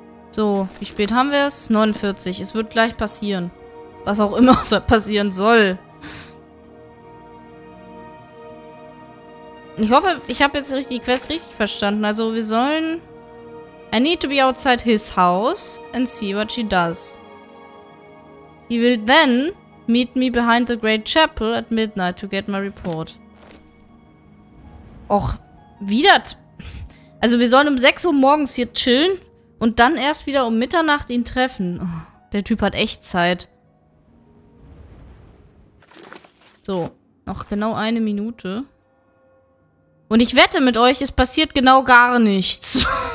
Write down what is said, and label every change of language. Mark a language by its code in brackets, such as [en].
[de] So, wie spät haben wir es? 49. Es wird gleich passieren. Was auch immer passieren soll. Ich hoffe, ich habe jetzt die Quest richtig verstanden. Also, wir sollen... [en] I need to be outside his house and see what she does. He will then meet me behind the Great Chapel at midnight to get my report. [de] Och, wieder... Also, wir sollen um 6 Uhr morgens hier chillen und dann erst wieder um Mitternacht ihn treffen. Oh, der Typ hat echt Zeit. So, noch genau eine Minute. Und ich wette mit euch, es passiert genau gar nichts.